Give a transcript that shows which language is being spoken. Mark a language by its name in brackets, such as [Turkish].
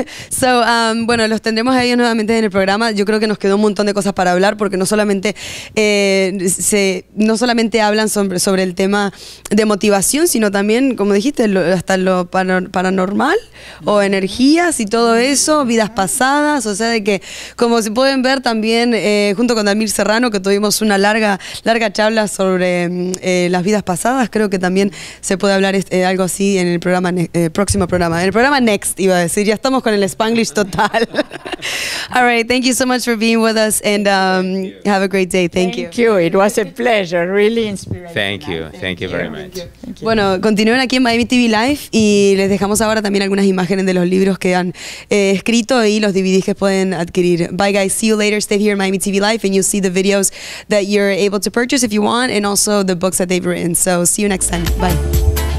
[Spanish] So, bueno, los tendremos ahí nuevamente en el programa. Yo creo que nos quedó un montón de cosas para hablar porque no solamente hablan sobre el tema de motivación, sino también, como dijiste, hasta lo paranormal o energías y todo eso, vidas pasadas. O sea, de que, como se pueden ver también, junto con Damir Serrano, que tuvimos una larga charla sobre las vidas pasadas, creo que también se puede hablar algo así en el programa, próximo programa, en el programa Next, iba a decir. Ya estamos con el Spanglish total. [English] All right, thank you so much for being with us and have a great day. Thank you. It was a pleasure, really inspiring. Thank you very much. Thank you. [Spanish] Bueno, continúen aquí en Miami TV Live y les dejamos ahora también algunas imágenes de los libros que han escrito y los DVDs que pueden adquirir. [English] Bye guys, see you later. Stay here in Miami TV Live and you'll see the videos that you're able to purchase if you want and also the books that they've written. So see you next time. Bye.